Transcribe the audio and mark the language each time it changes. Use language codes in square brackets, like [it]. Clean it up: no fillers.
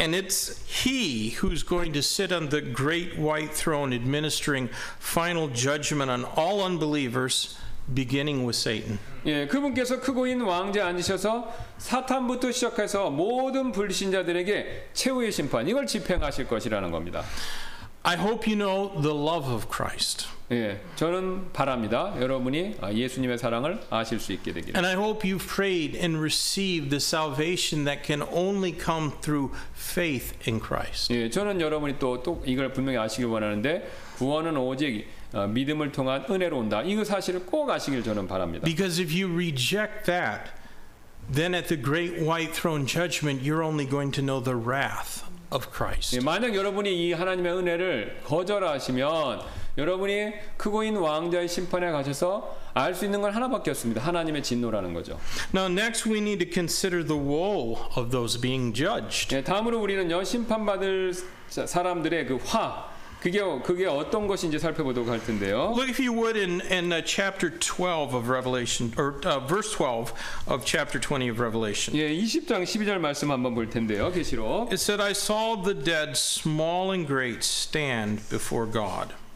[en] And it's he who's going to sit on the great white throne administering final judgment on all unbelievers. Beginning with Satan. [ko] 예, 그분께서 크고 있는 왕좌에 앉으셔서 사탄부터 시작해서 모든 불신자들에게 최후의 심판 이걸 집행하실 것이라는 겁니다. [en] I hope you know the love of Christ. [ko] 예, 저는 바랍니다. 여러분이 예수님의 사랑을 아실 수 있게 되기를. [en] And I hope you've prayed and received the salvation that can only come through faith in Christ. [ko] 예, 저는 여러분이 또 이걸 분명히 아시길 원하는데 구원은 오직 믿음을 통한 은혜로 온다. 이 사실을 꼭 아시길 저는 바랍니다. [en] Because if you reject that, then at the great white throne judgment, you're only going to know the wrath of Christ. [ko] 예, 만약 여러분이 이 하나님의 은혜를 거절하시면 여러분이 크고 있는 왕좌의 심판에 가셔서 알 수 있는 건 하나밖에 없습니다. 하나님의 진노라는 거죠. [en] Now next we need to consider the woe of those being judged. [ko] 예, 다음으로 우리는요 심판받을 사람들의 그 화. 그게 어떤 것인지 살펴보도록 할 텐데요. [en] Look if you would in chapter 12 of Revelation or verse 12 of chapter 20 of Revelation. [ko] 예, 20장 12절 말씀 한번 볼 텐데요. 계시록. [en] It said, I saw the dead, small and great, stand before God.